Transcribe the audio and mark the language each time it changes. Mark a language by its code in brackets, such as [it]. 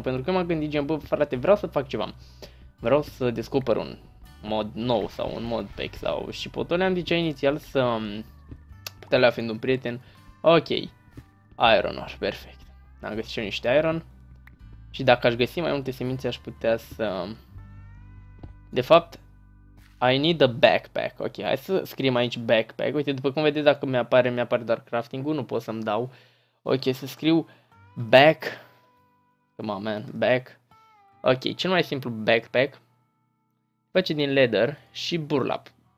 [ro] Pentru că m-am gândit, gen, bă, frate, vreau să fac ceva. Vreau să descoper un mod nou sau un mod pack sau... Și potole am zicea inițial să... Putea fiind un prieten. Ok. Iron ore, perfect. Am găsit și eu niște iron. Și dacă aș găsi mai multe semințe, aș putea să... De fapt, [en] I need a backpack. [ro] Ok, hai să scriem aici backpack. Uite, după cum vedeți, dacă mi-apare doar crafting-ul, nu pot să-mi dau. Ok, să scriu back. [en] Come on, man, back. [ro] Ok, cel mai simplu backpack. Face din leather și burlap.